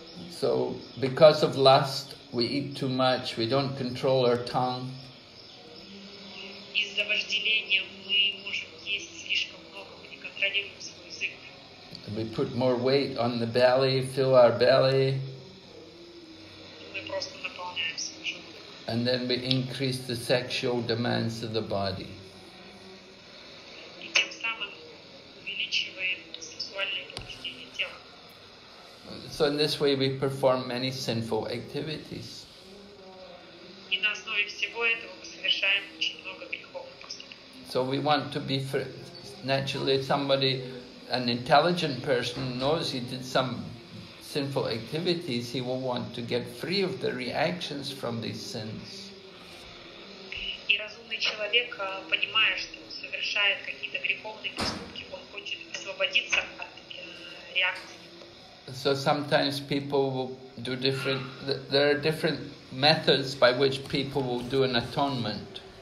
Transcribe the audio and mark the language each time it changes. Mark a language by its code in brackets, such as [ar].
[en] So because of lust, we eat too much, we don't control our tongue. [ru] Из-за вожделения мы можем есть слишком много, мы не контролируем свой язык. [en] We put more weight on the belly, fill our belly. [ru] Мы просто наполняем свой желудок. [en] And then we increase the sexual demands of the body. [ru] И тем самым увеличиваем сексуальные побуждения тела. [en] So in this way we perform many sinful activities. [ru] И на основе всего этого мы совершаем очень много греховных поступков. [en] So we want to be free. Naturally somebody, an intelligent person knows he did some sinful activities, he will want to get free of the reactions from these sins. [ru] И разумный человек, понимая, что совершает какие-то греховные поступки, он хочет освободиться от реакции. [en] So sometimes people will do different, there are different methods by which people will do an atonement.